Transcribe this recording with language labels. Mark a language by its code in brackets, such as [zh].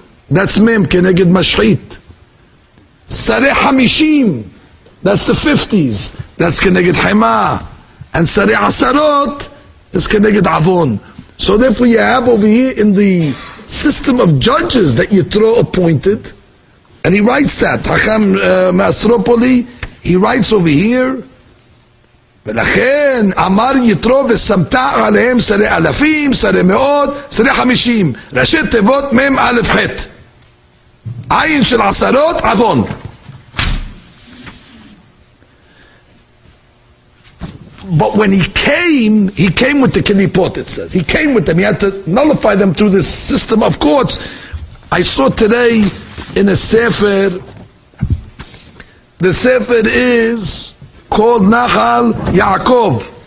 [he] That's mem, keneged mashchit. Sare hamishim. [en] That's the 50s. That's [he] Keneged Hema. [en] And [he] Sari Asarot [en] is [he] Keneged Avon. [en] So therefore you have over here in the system of judges that Yitro appointed. And he writes that. [he] Hakam Masropoli, [en] he writes over here, [he] ולכן אמר יתרו ושמת עליהם שרי אלפים, שרי מאות, שרי חמישים, ראשי תיבות מם א' ח' עין של עשרות, עוון. [en] But when he came with the kilipot, it says. He came with them, he had to nullify them through this system of courts. I saw today in a sefer, the sefer is called Nachal Yaakov.